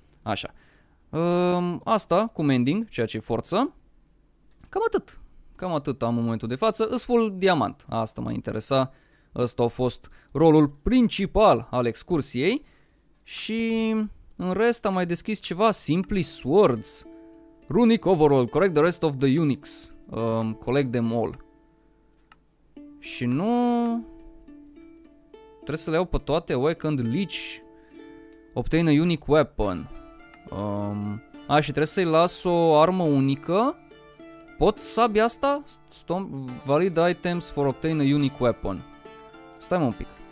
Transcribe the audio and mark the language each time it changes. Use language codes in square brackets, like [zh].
[ro] Așa, asta cu mending, ceea ce e forță, cam atât am în momentul de față, îs full diamant, asta m-a interesat. Ăsta a fost rolul principal al excursiei și în rest am mai deschis ceva Simply Swords. [en] Runic overall, collect the rest of the uniques. Collect them all. Și nu... [ro] Trebuie să le iau pe toate, Awakened Leech. Obtain a unique weapon. Și trebuie să-i las o armă unică. Pot sabia asta? Valid items for obtain a unique weapon. Stai un pic.